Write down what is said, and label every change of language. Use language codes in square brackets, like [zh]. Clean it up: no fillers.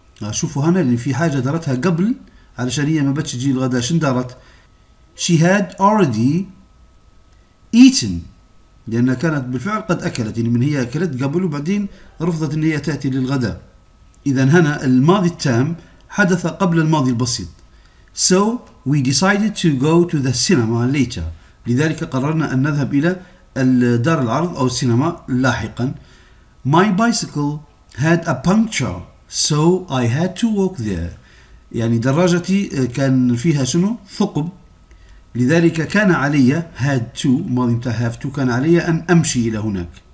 [ar] شوفوا هنا لأن في حاجة دارتها قبل، علشان هي ما بتش تجي الغداء. شن دارت؟ [en] She had already eaten. [ar] لأنها كانت بالفعل قد أكلت، يعني من هي أكلت قبل وبعدين رفضت أن هي تأتي للغداء. إذن هنا الماضي التام حدث قبل الماضي البسيط. [en] So we decided to go to the cinema later. [ar] لذلك قررنا أن نذهب إلى دار العرض أو السينما لاحقا. [en] My bicycle had a puncture, so I had to walk there. [ar] يعني دراجتي كان فيها شنو؟ ثقب. لذلك كان علي had to، ماضي متاع have to، كان علي أن أمشي إلى هناك.